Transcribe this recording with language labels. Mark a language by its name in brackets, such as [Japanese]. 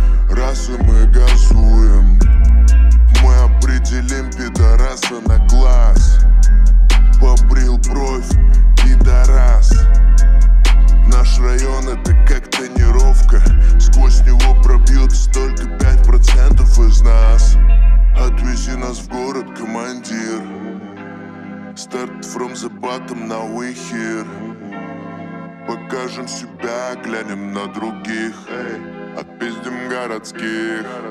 [Russian] Расы мы газуем, мы определим пидораса на глаз. Побрил бровь, пидорас. Наш район это как тонировка, сквозь него пробьется только 5% из нас. Отвези нас в город, командир. [English] Start from the bottom, now we here. [Russian] Покажем себя, глянем на других. Отпиздим городских.